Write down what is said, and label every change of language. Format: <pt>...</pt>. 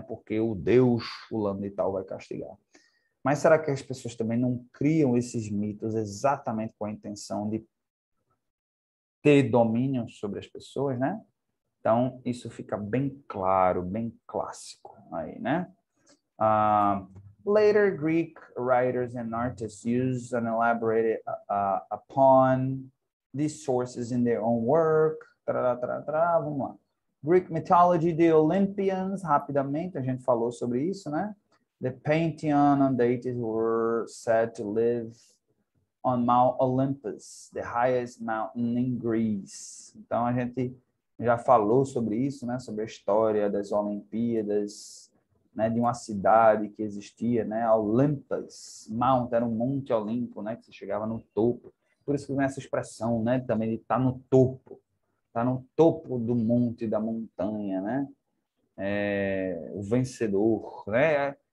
<pt>Porque o Deus fulano e tal vai castigar. Mas será que as pessoas também não criam esses mitos exatamente com a intenção de ter domínio sobre as pessoas, né? Então, isso fica bem claro, bem clássico aí, né?</pt> <en>Later Greek writers and artists used and elaborated upon these sources in their own work.</en> <pt>Vamos lá.</pt> <en>Greek mythology, the Olympians,</en> <pt>rapidamente, a gente falou sobre isso, né?</pt> <en>The Pantheon and deities were said to live on Mount Olympus, the highest mountain in Greece.</en> <pt>Então a gente já falou sobre isso, né? Sobre a história das Olimpíadas. Né, de uma cidade que existia, né, Olympus Mount, era um monte olímpico, né, que você chegava no topo. Por isso que vem essa expressão, né, também de estar no topo, estar no topo do monte, da montanha, né, o vencedor, né.</pt>